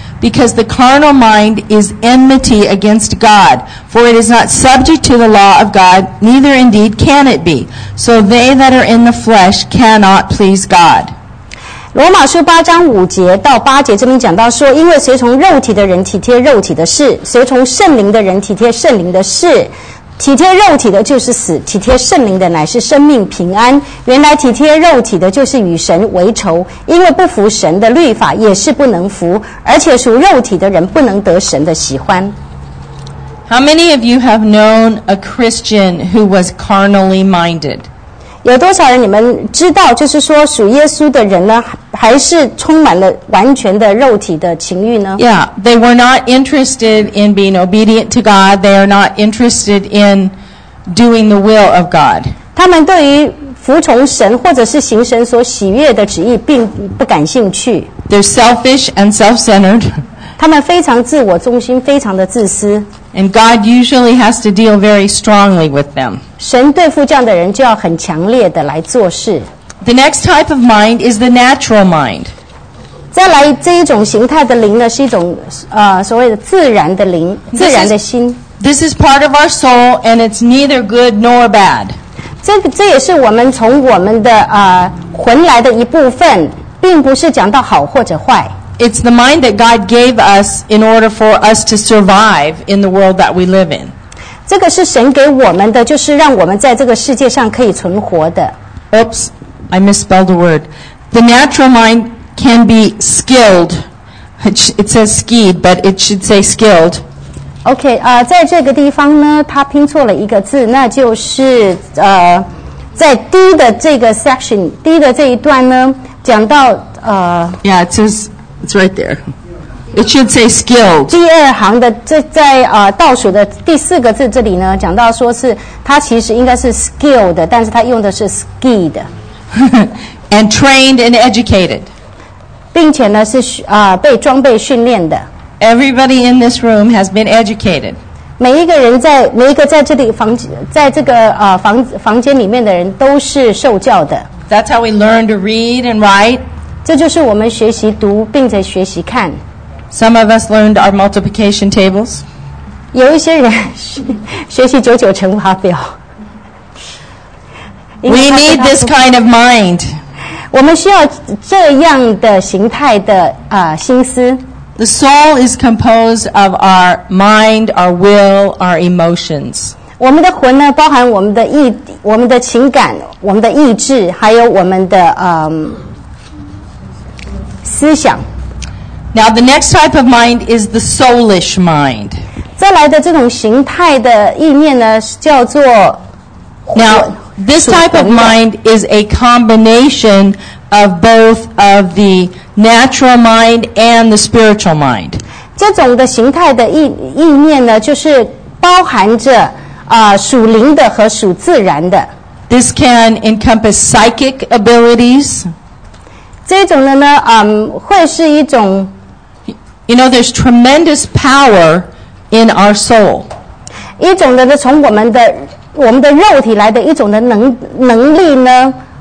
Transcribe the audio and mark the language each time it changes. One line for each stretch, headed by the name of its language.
English: Because the carnal mind is enmity against God, for it is not subject to the law of God, neither indeed can it be. So they that are in the flesh cannot please God.
Chinese: 罗马书八章五节到八节这边讲到说，因为随从肉体的人体贴肉体的事，随从圣灵的人体贴圣灵的事。体贴肉体的就是死，体贴圣灵的乃是生命平安。原来体贴肉体的就是与神为仇，因为不服神的律法也是不能服，而且属肉体的人不能得神的喜欢。
English: How many of you have known a Christian who was carnally minded?
Chinese: 有多少人你们知道，就是说属耶稣的人呢，还是充满了完全的肉体的情欲呢？
English: Yeah, they were not interested in being obedient to God. They are not interested in doing the will of God.
Chinese: 他们对于服从神或者是行神所喜悦的旨意并不感兴趣。
English: They're selfish and self-centered.
Chinese: 他们非常自我中心，非常的自私。
English: And God usually has to deal very strongly with them.
Chinese: 神对付这样的人就要很强烈的来做事。
English: The next type of mind is the natural mind.
Chinese: 再来这一种形态的灵呢，是一种所谓的自然的灵，自然的心。
English: This is part of our soul, and it's neither good nor bad.
Chinese: 这也是我们从我们的魂来的一部分，并不是讲到好或者坏。
English: It's the mind that God gave us in order for us to survive in the world that we live in.
Chinese: 这个是神给我们的，就是让我们在这个世界上可以存活的。
English: Oops, I misspelled a word. The natural mind can be skilled. It says skied, but it should say skilled.
Chinese: Okay, 在这个地方呢，他拼错了一个字，那就是在D的这个 section, D的这一段呢，讲到
English: Yeah, it says... It's right there. It should say skilled.
Chinese: 第二行的在倒数的第四个字这里呢，讲到说是它其实应该是 skilled， 但是它用的是 skied.
English: and trained and educated.
Chinese: 并且呢是被装备训练的。
English: Everybody in this room has been educated.
Chinese: 每一个人在每一个在这里房在这个房间里面的人都是受教的。
English: That's how we learn to read and write.
Chinese: 这就是我们学习读并且学习看。
English: Some of us learned our multiplication tables.
Chinese: 有一些人学习九九乘法表。
English: We need this kind of mind.
Chinese: 我们需要这样的形态的心思。
English: The soul is composed of our mind, our will, our emotions.
Chinese: 我们的魂呢，包含我们的意、我们的情感、我们的意志，还有我们的思想。
English: Now the next type of mind is the soulish mind.
Chinese: 再来的这种形态的意念呢，叫做。
English: Now this type of mind is a combination of both of the natural mind and the spiritual mind.
Chinese: 这种的形态的意念呢，就是包含着属灵的和属自然的。
English: This can encompass psychic abilities.
Chinese: 这种的呢，会是一种。
English: You know, there's tremendous power in our soul.
Chinese: 一种的呢，从我们的肉体来的一种的能力呢。